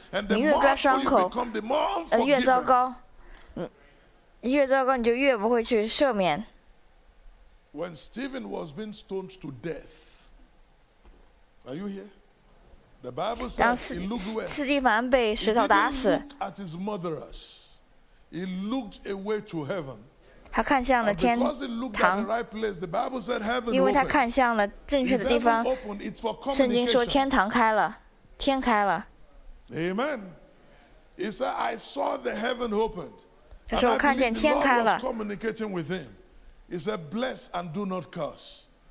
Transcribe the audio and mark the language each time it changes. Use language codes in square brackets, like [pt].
[zh] 你越抓伤口，越糟糕，越糟糕你就越不会去赦免。 [en] When Stephen was being stoned to death, are you here? The Bible says he looked away. [zh] 斯蒂凡被石头打死。 [en] He didn't look at his murderers. He looked away to heaven. [zh] 他看向了天堂。 [en] Because he looked at the right place, the Bible said heaven opened. [zh] 因为他看向了正确的地方。圣经说天堂开了，天开了。 [en] Amen. He said, "I saw the heaven opened." [zh] 他说我看见天开了。 [en] And I was communicating with him. He said, "Bless and do not curse.